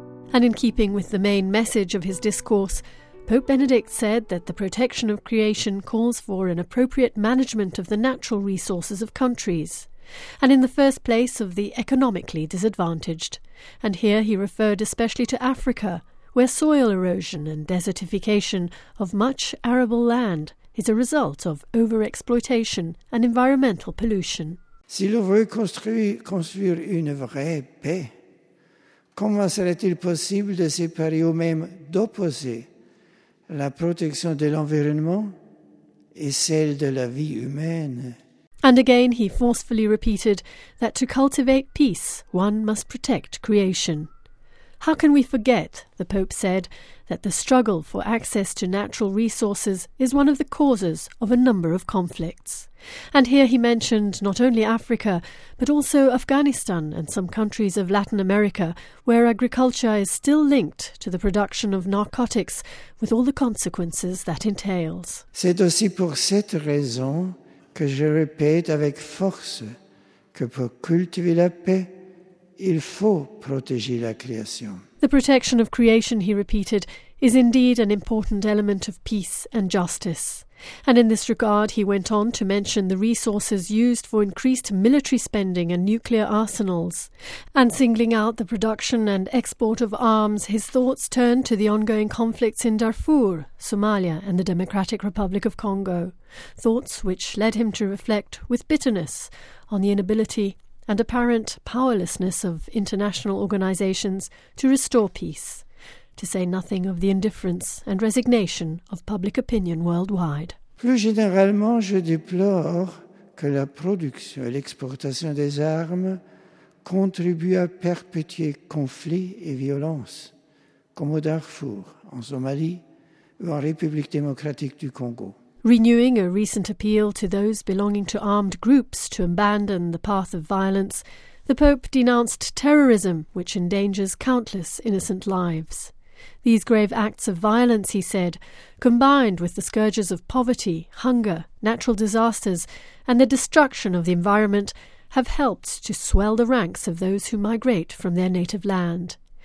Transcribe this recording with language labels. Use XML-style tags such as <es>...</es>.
<en>And in keeping with the main message of his discourse, Pope Benedict said that the protection of creation calls for an appropriate management of the natural resources of countries, and in the first place of the economically disadvantaged. And here he referred especially to Africa, where soil erosion and desertification of much arable land is a result of over-exploitation and environmental pollution.</en> <fr>Si l'on veut construire une vraie paix, comment serait-il possible de séparer ou même d'opposer la protection de l'environnement et celle de la vie humaine?</fr> <en>And again he forcefully repeated that to cultivate peace, one must protect creation. How can we forget, the Pope said, that the struggle for access to natural resources is one of the causes of a number of conflicts? And here he mentioned not only Africa, but also Afghanistan and some countries of Latin America, where agriculture is still linked to the production of narcotics, with all the consequences that entails.</en> <fr>C'est aussi pour cette raison que je répète avec force que pour cultiver la paix, il faut protéger la création.</fr> <en>The protection of creation, he repeated, is indeed an important element of peace and justice. And in this regard, he went on to mention the resources used for increased military spending and nuclear arsenals. And singling out the production and export of arms, his thoughts turned to the ongoing conflicts in Darfur, Somalia, and the Democratic Republic of Congo. Thoughts which led him to reflect with bitterness on the inability and apparent powerlessness of international organizations to restore peace, to say nothing of the indifference and resignation of public opinion worldwide.</en> <fr>Plus généralement, je déplore que la production et l'exportation des armes contribuent à perpétuer conflits et violences, comme au Darfour, en Somalie, ou en République démocratique du Congo.</fr> <en>Renewing a recent appeal to those belonging to armed groups to abandon the path of violence, the Pope denounced terrorism, which endangers countless innocent lives. These grave acts of violence, he said, combined with the scourges of poverty, hunger, natural disasters, and the destruction of the environment, have helped to swell the ranks of those who migrate from their native land.</en>